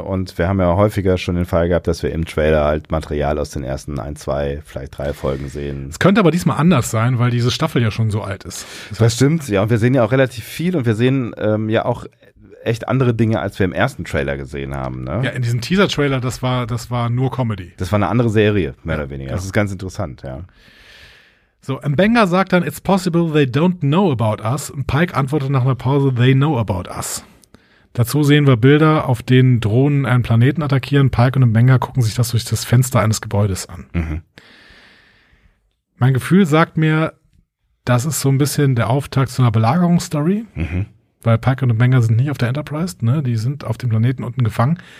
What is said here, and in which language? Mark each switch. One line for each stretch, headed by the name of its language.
German: Und wir haben ja häufiger schon den Fall gehabt, dass wir im Trailer halt Material aus den ersten ein, zwei, vielleicht drei Folgen sehen. Es könnte aber diesmal anders sein, weil diese Staffel ja schon so alt ist. Das stimmt, ja. Und wir sehen ja auch relativ viel und wir sehen ja auch echt andere Dinge, als wir im ersten Trailer gesehen haben. Ne? Ja, in diesem Teaser-Trailer, das war nur Comedy. Das war eine andere Serie, mehr oder weniger. Genau. Das ist ganz interessant, ja. So, M'Benga sagt dann,
English: it's possible they don't know about us.
German: Und Pike antwortet nach einer Pause,
English: they know about us.
German: Dazu sehen wir Bilder, auf denen Drohnen einen Planeten attackieren. Pike und M'Benga gucken sich das durch das Fenster eines Gebäudes an. Mhm. Mein Gefühl sagt mir, das ist so ein bisschen der Auftakt zu einer Belagerungsstory. Mhm. Weil Pike und M'Benga sind nicht auf der Enterprise, ne? Die sind auf dem Planeten unten gefangen.